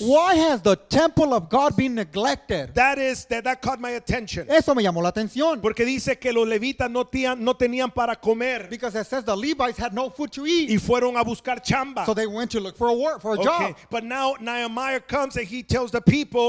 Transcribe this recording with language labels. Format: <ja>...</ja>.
<en>Why has the temple of God been neglected? That caught my attention.</en> <es>Eso me llamó la atención. Porque dice que los levitas no tenían para comer.</es> <en>Because it says the Levites had no food to eat.</en> <es>Y fueron a buscar chamba.</es> <en>So they went to look for a work, for a job. Okay. But now Nehemiah comes and he tells the people.</en>